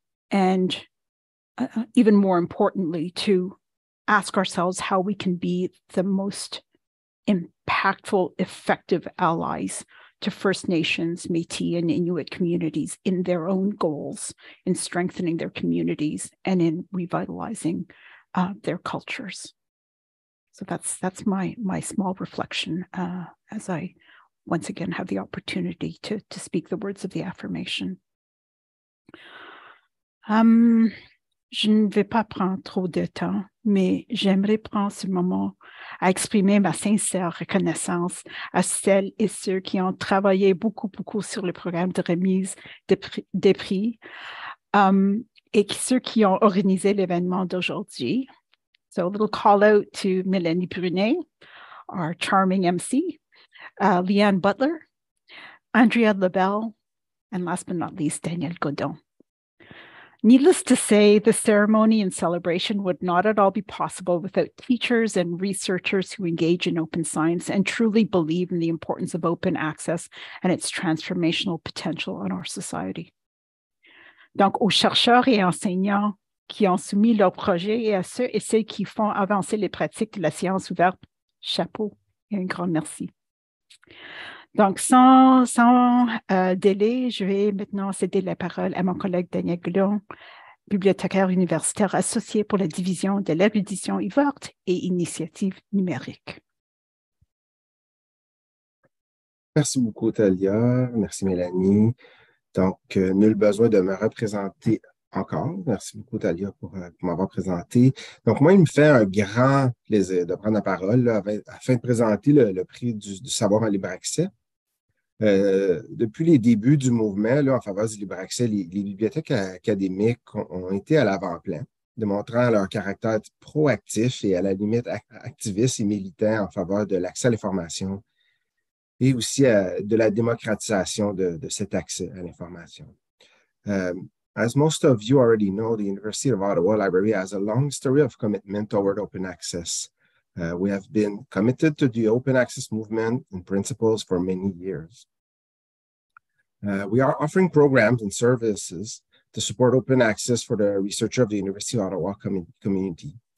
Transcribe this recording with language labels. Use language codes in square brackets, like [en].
[en] And even more importantly, to ask ourselves how we can be the most impactful, effective allies to First Nations, Métis, and Inuit communities in their own goals, in strengthening their communities, and in revitalizing their cultures. So that's my small reflection as I once again have the opportunity to speak the words of the affirmation. [fr] Je ne vais pas prendre trop de temps, mais j'aimerais prendre ce moment à exprimer ma sincère reconnaissance à celles et ceux qui ont travaillé beaucoup, beaucoup sur le programme de remise des prix et ceux qui ont organisé l'événement d'aujourd'hui. [en] So a little call out to Mélanie Brunet, our charming MC, Leanne Butler, Andrea Labelle, and last but not least, Daniel Godon. Needless to say, the ceremony and celebration would not at all be possible without teachers and researchers who engage in open science and truly believe in the importance of open access and its transformational potential on our society. [fr] Donc, aux chercheurs et enseignants qui ont soumis leurs projets et à ceux et celles qui font avancer les pratiques de la science ouverte, chapeau et un grand merci. Donc, sans délai, je vais maintenant céder la parole à mon collègue Daniel Goulon, bibliothécaire universitaire associé pour la division de l'érudition uOttawa et initiative numérique. Merci beaucoup, Talia. Merci, Mélanie. Donc, nul besoin de me représenter encore. Merci beaucoup, Talia, pour m'avoir présenté. Donc, moi, il me fait un grand plaisir de prendre la parole là, afin de présenter le prix du savoir en libre accès. Depuis les débuts du mouvement là, en faveur du libre accès, les bibliothèques académiques ont été à l'avant-plan, démontrant leur caractère proactif et à la limite activiste et militant en faveur de l'accès à l'information et aussi de la démocratisation de cet accès à l'information. [en] As most of you already know, the University of Ottawa Library has a long history of commitment toward open access. We have been committed to the open access movement and principles for many years. We are offering programs and services to support open access for the researcher of the University of Ottawa community.